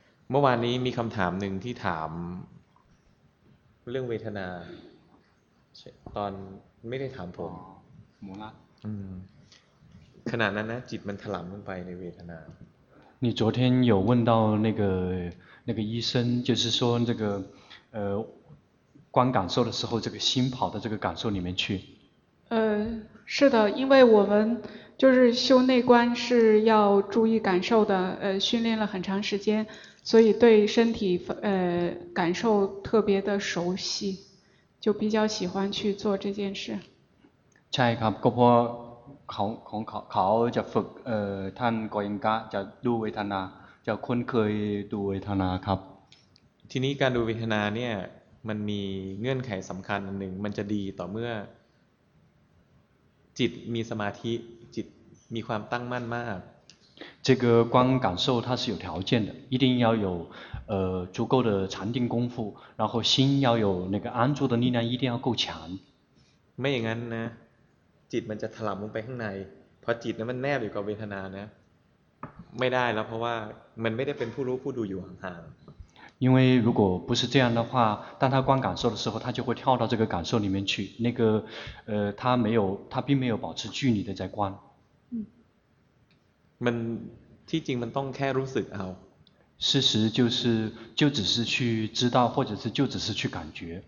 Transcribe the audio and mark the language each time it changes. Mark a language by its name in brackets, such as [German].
[Thai] เมื่อวานนี้มีคำถามหนึ่งที่ถามเรื่องเวทนาตอนไม่ได้ถามผม หมูละ ขณะนั้นนะจิตมันถลำลงไปในเวทนา [Chinese] 你昨天有问到那个医生就是说这个观感受的时候，这个心跑到这个感受里面去。是的，因为我们就是修内观是要注意感受的，训练了很长时间，所以对身体感受特别的熟悉，就比较喜欢去做这件事。 [Thai] ใช่ครับ ก็เพราะของเขาจะฝึกท่านก็ยังก็จะดูเวทนาจะคุ้นเคยดูเวทนาครับ ทีนี้การดูเวทนาเนี่ยมันมีเงื่อนไขสำคัญอันหนึ่งมันจะดีต่อเมื่อจิตมีสมาธิจิตมีความตั้งมั่นมาก [Chinese] 这个观感受它是有条件的一定要有足够的禅定功夫然后心要有那个安住的力量一定要够强 [Thai] ไม่อย่างนั้นนะจิตมันจะถลำลงไปข้างในเพราะจิตนั้นมันแนบอยู่กับเวทนานะไม่ได้แล้วเพราะว่ามันไม่ได้เป็นผู้รู้ผู้ดูอยู่ห่าง [Chinese] 因为如果不是这样的话当他观感受的时候他就会跳到这个感受里面去那个他并没有保持距离的在观 [Thai] มันที่จริงมันต้องแค่รู้สึกเอา [Chinese] 事实就只是去知道或者是就只是去感觉